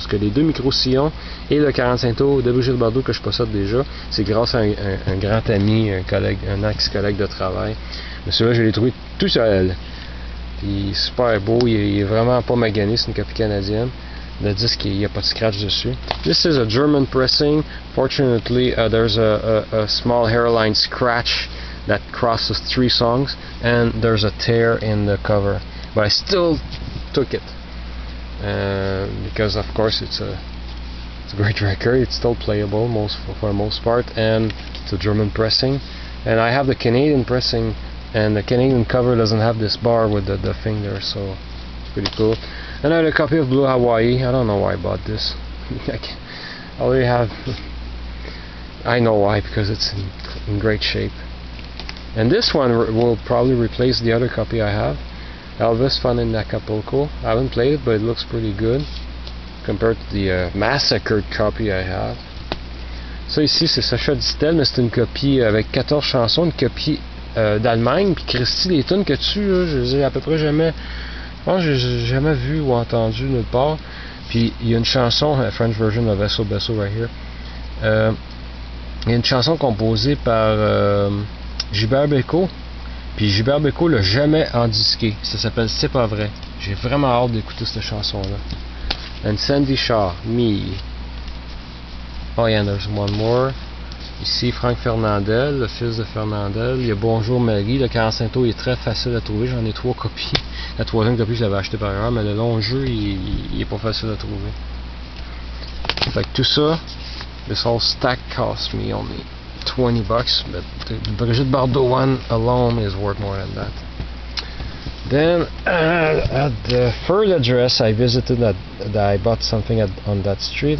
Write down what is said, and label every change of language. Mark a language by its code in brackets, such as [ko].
[fr] Parce que les deux micro-sillons et le 45 tours de Brigitte Bardot que je possède déjà, c'est grâce à un grand ami, un collègue, un ex-collègue de travail. Mais celui-là, je l'ai trouvé tout seul. Puis, super beau. Il est vraiment pas magané. C'est une copie canadienne. Le disque, il n'y a pas de scratch dessus. [en] This is a German pressing. Fortunately, there's a small hairline scratch that crosses three songs, and there's a tear in the cover. But I still took it, because of course it's a great record, it's still playable for the most part, and it's a German pressing. And I have the Canadian pressing, and the Canadian cover doesn't have this bar with the finger, so it's pretty cool. And I had a copy of Blue Hawaii, I don't know why I bought this. I know why, because it's in great shape. And this one will probably replace the other copy I have. Elvis Fun in Acapulco. I haven't played it, but it looks pretty good compared to the massacred copy I have. [fr] Ça ici, c'est Sacha Distel, mais c'est une copie avec 14 chansons, une copie d'Allemagne. Puis Christy, les tunes que tu as, je les ai à peu près jamais. Je pense que j'ai jamais vu ou entendu nulle part. Puis il y a une chanson, la [en] French version of Vessel right here. [fr] Il y a une chanson composée par Gilbert Bécaud, puis Gilbert Bécaud l'a jamais endisqué. Ça s'appelle C'est pas vrai. J'ai vraiment hâte d'écouter cette chanson-là. [en] And Sandy Shaw, Me. Oh, yeah, there's one more. [fr] Ici, Franck Fernandel, le fils de Fernandel. Il y a Bonjour Marie. Le 45 tours est très facile à trouver. J'en ai trois copies. La troisième copie, je l'avais acheté par erreur, mais le long jeu, il est pas facile à trouver. Fait que tout ça, [en] this whole stack cost me only 20 bucks, but the Brigitte Bardot one alone is worth more than that. Then, at the third address I visited, I bought something on that street.